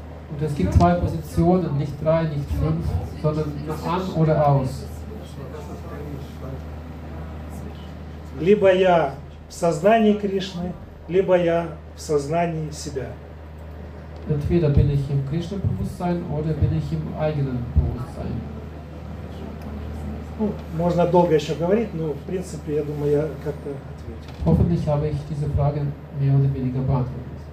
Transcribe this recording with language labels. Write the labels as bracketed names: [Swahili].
[German] Und es gibt zwei Positionen, nicht drei, nicht fünf, sondern an oder aus. [Russian] Либо я в сознании Кришны, либо я в сознании себя. [German] Entweder bin ich im Krishna-Bewusstsein oder bin ich im eigenen Bewusstsein. [Russian] Ну, можно долго еще говорить, но в принципе, я думаю, я как-то ответил. [German] Hoffentlich habe ich diese Frage mehr oder weniger beantwortet.